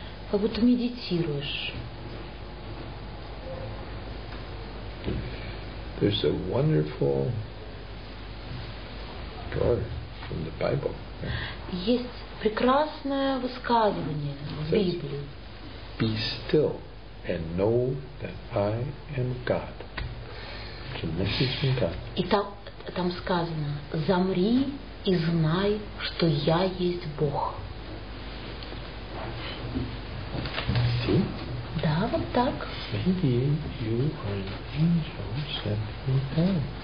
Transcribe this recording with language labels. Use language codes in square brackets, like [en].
[ru] Как будто медитируешь. [en] There's a wonderful from the Bible. [ru] Есть прекрасное высказывание в Библии. [en] Be still and know that I am God. It's a message from God. [ru] И там сказано: замри и знай, что я есть Бог. [en] See? [ru] Да, вот так. [en] Maybe you are angel sent from God.